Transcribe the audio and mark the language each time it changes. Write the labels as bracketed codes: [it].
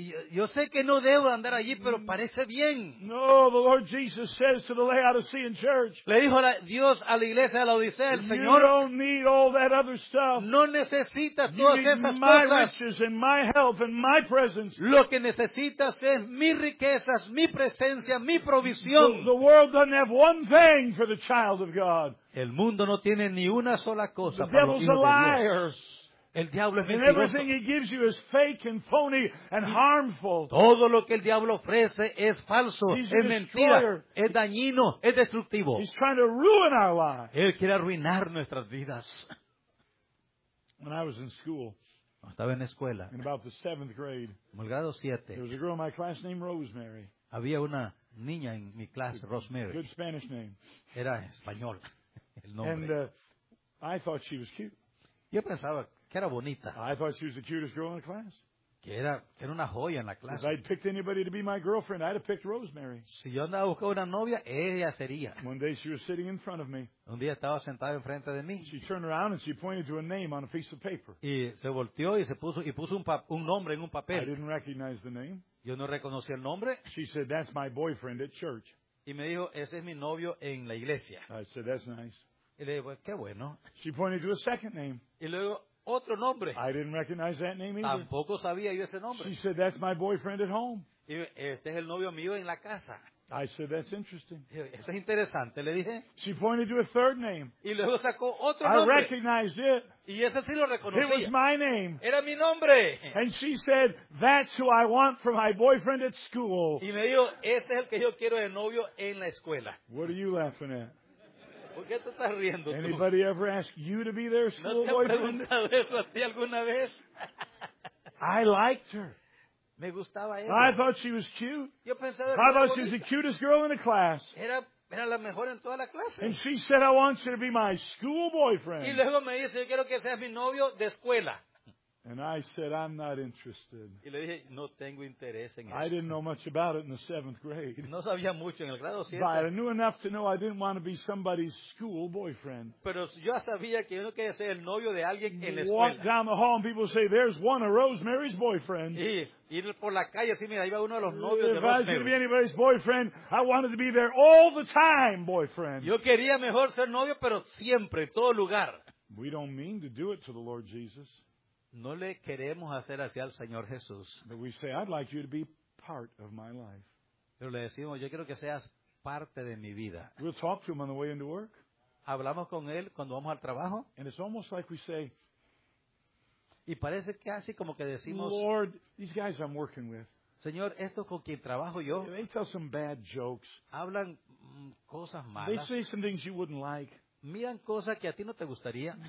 [es] Yo sé que no debo andar allí, pero parece bien. [en] No, the Lord Jesus says to the Laodicean church. [es] Le dijo Dios a la iglesia de la Odisea, el Señor, [en] you don't need all that other stuff. [es] No necesitas [en] you [es] todas [en] need [es] esas [en] my [es] cosas. [en] Riches and my help and my presence. [es] Lo que necesitas es mis riquezas, mi presencia, mi provisión. [en] The world doesn't have one thing for the child of God. [es] El mundo no tiene ni una sola cosa [en] the [es] para los hijos de Dios. El diablo es mentiroso. [en] And everything he gives you is fake and phony and harmful. [es] Todo lo que el diablo ofrece es falso, es mentira, es dañino, es destructivo. [en] He's trying to ruin our lives. [es] Él quiere arruinar nuestras vidas. [en] When I was in school, [es] estaba en la escuela, [en] in about the seventh grade, [es] como el grado 7, [en] there was a girl in my class named Rosemary. [es] Había una niña en mi clase, Rosemary. [en] Good Spanish name. [es] Era español el nombre. [en] And I thought she was cute. [es] Yo pensaba que era bonita. [en] I thought she was the cutest girl in the class. [es] Que era una joya en la clase. [en] If I'd picked anybody to be my girlfriend, I'd have picked Rosemary. [es] Si yo andaba buscando una novia, ella sería. [en] One day she was sitting in front of me. [es] Un día estaba sentada enfrente de mí. [en] She turned around and she pointed to a name on a piece of paper. [es] Y se volteó y puso un nombre en un papel. [en] I didn't recognize the name. [es] Yo no reconocí el nombre. [en] She said, "That's my boyfriend at church." [es] Y me dijo, "Ese es mi novio en la iglesia." [en] I said, "That's nice." [es] Y le dije, "Qué bueno." [en] She pointed to a second name. [es] Y luego otro nombre. [en] I didn't recognize that name either. [es] Tampoco sabía yo ese nombre. [en] She said, "That's my boyfriend at home." [es] Y este es el novio mío en la casa. [en] I said, "That's interesting." [es] Eso es interesante, le dije. [en] She pointed to a third name. [es] Y luego sacó otro [en] I [es] nombre. [en] I recognized it. [es] Y ese sí lo reconocía. [en] It was my name. [es] Era mi nombre. [en] And she said, "That's who I want for my boyfriend at school." [es] Y me dijo, "Ese es el que yo quiero de novio en la escuela." [en] What are you laughing at? [es] ¿Por qué te estás riendo tú? [en] Anybody ever ask you to be their school boyfriend? [es] ¿No te has preguntado eso a ti alguna vez? [en] I liked her. [es] Me gustaba ella. [en] I thought she was cute. [es] Yo pensaba que era bonita. [en] I thought she was the cutest girl in the class. [es] Era la mejor en toda la clase. [en] And she said, "I want you to be my school boyfriend." [es] Y luego me dice, "Yo quiero que seas mi novio de escuela." [en] And I said, "I'm not interested." [es] Y le dije, no tengo interés en eso. [en] I didn't know much about it in the seventh grade. [es] No sabía mucho en el grado 7. [en] But I knew enough to know I didn't want to be somebody's school boyfriend. [es] Pero yo sabía que yo no quería ser el novio de alguien en la escuela. [en] Walk down the hall and people say, "There's one of Rosemary's boyfriends." [es] Y ir por la calle, sí, mira, iba uno de los novios de [en] Rosemary. If I was going to be anybody's boyfriend, I wanted to be there all the time, boyfriend. [es] Yo quería mejor ser novio, pero siempre, en todo lugar. [en] We don't mean to do it to the Lord Jesus. [es] No le queremos hacer así al Señor Jesús. [en] But we say, "I'd like you to be part of my life." [es] Pero le decimos, yo quiero que seas parte de mi vida. [en] We'll talk to him on the way into work. [es] Hablamos con él cuando vamos al trabajo. [en] And it's almost like we say, [es] y parece que así como que decimos, [en] "Lord, these guys I'm working with." [es] Señor, estos con quien trabajo yo. [en] They tell some bad jokes. [es] Hablan cosas malas. [en] They say some things you wouldn't like. [es] Miran cosas que a ti no te gustaría.